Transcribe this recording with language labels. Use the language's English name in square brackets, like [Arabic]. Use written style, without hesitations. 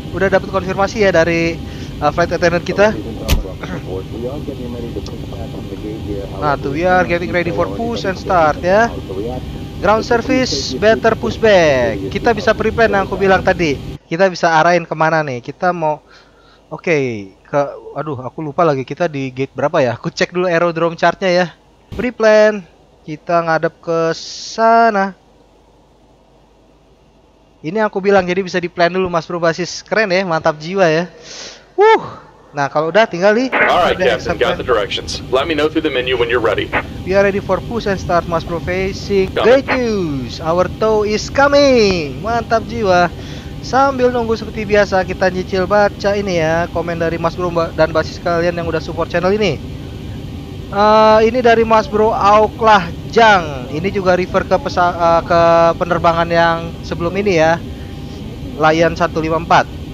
[Indonesian] Udah dapat konfirmasi ya dari flight attendant kita. [English] Nah, tuh we are getting ready for push and start ya. Ground service, better pushback. [Indonesian] Kita bisa prepare yang aku bilang tadi. Kita bisa arahin kemana nih? Kita mau. Oke. Okay. Aku lupa lagi kita di gate berapa ya? Aku cek dulu aerodrome chart-nya ya. Pre-plan, kita ngadep ke sana. Ini aku bilang jadi bisa di-plan dulu Mas Bro Basis. Keren ya, mantap jiwa ya. Wuh. Nah, kalau udah tinggal nih. [English] Alright, Captain, got the directions. Let me know through the menu when you're ready. We are ready for push and start Mas Bro facing. Great news. Our tow is coming. [Indonesian] Mantap jiwa. Sambil nunggu seperti biasa kita nyicil baca ini ya komen dari Mas Bro dan Basis kalian yang udah support channel ini. Ini dari Mas Bro Auklah Jang, ini juga refer ke penerbangan yang sebelum ini ya, Lion 154.